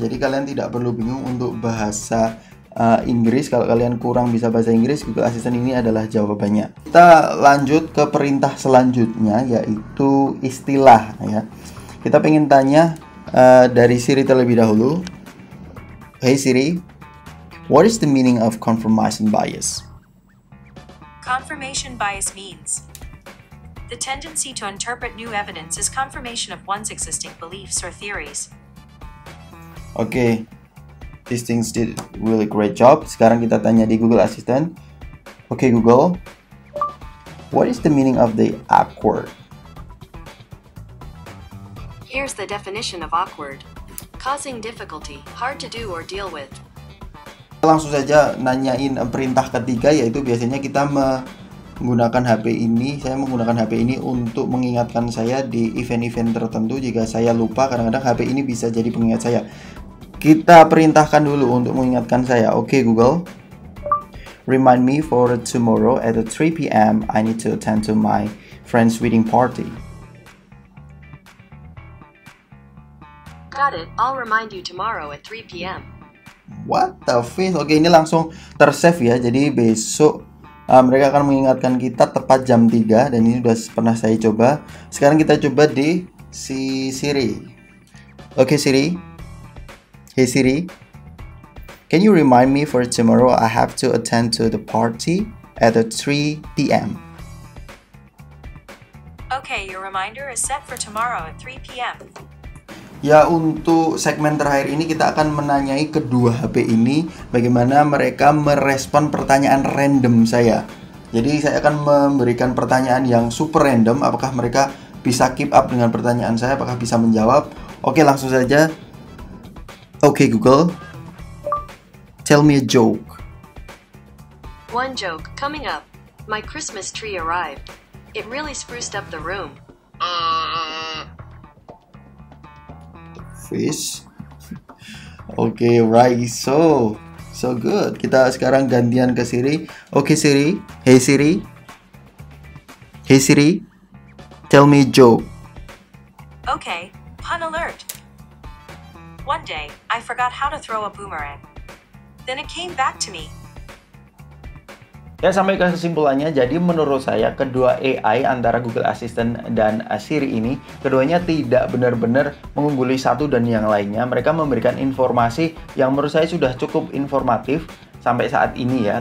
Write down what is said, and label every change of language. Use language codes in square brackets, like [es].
[id] Jadi kalian tidak perlu bingung untuk bahasa Inggris. Kalau kalian kurang bisa bahasa Inggris, Google Assistant ini adalah jawabannya. Kita lanjut ke perintah selanjutnya, yaitu istilah ya. Kita pengen tanya dari Siri terlebih dahulu. [en] Hey Siri, what is the meaning of confirmation bias? Confirmation bias means the tendency to interpret new evidence as confirmation of one's existing beliefs or theories. Okay, these things did really great job. [id] Sekarang kita tanya di Google Assistant. [en] Okay Google, what is the meaning of the awkward? Here's the definition of awkward: causing difficulty, hard to do or deal with. [id] Langsung saja nanyain perintah ketiga, yaitu biasanya kita menggunakan HP ini. Saya menggunakan HP ini untuk mengingatkan saya di event-event tertentu. Jika saya lupa, kadang-kadang HP ini bisa jadi pengingat saya. Kita perintahkan dulu untuk mengingatkan saya. [en] Oke, Google, remind me for tomorrow at 3 p.m. I need to attend to my friend's wedding party. Got it. I'll remind you tomorrow at 3 p.m. What the fish? [id] Oke, ini langsung tersave ya. Jadi besok mereka akan mengingatkan kita tepat jam 3. Dan ini sudah pernah saya coba. Sekarang kita coba di si Siri. Oke Siri. [en] Hey Siri, can you remind me for tomorrow I have to attend to the party at 3 p.m. Okay, your reminder is set for tomorrow at 3 p.m. [id] Ya, untuk segmen terakhir ini kita akan menanyai kedua HP ini bagaimana mereka merespon pertanyaan random saya. Jadi saya akan memberikan pertanyaan yang super random, apakah mereka bisa [en] keep up [id] dengan pertanyaan saya, apakah bisa menjawab. Oke, langsung saja. [en] Oke Google, tell me a joke. One joke coming up. My Christmas tree arrived. It really spruced up the room. Fish. Okay, right. So good. [id] Kita sekarang gantian ke Siri. Okay, Siri. [en] Hey Siri. Hey Siri. Tell me a joke. Okay, pun alert. One day, I forgot how to throw a boomerang. Then it came back to me. [id] Ya, sampai ke kesimpulannya, jadi menurut saya kedua AI antara Google Assistant dan Siri ini, keduanya tidak benar-benar mengungguli satu dan yang lainnya. Mereka memberikan informasi yang menurut saya sudah cukup informatif sampai saat ini ya.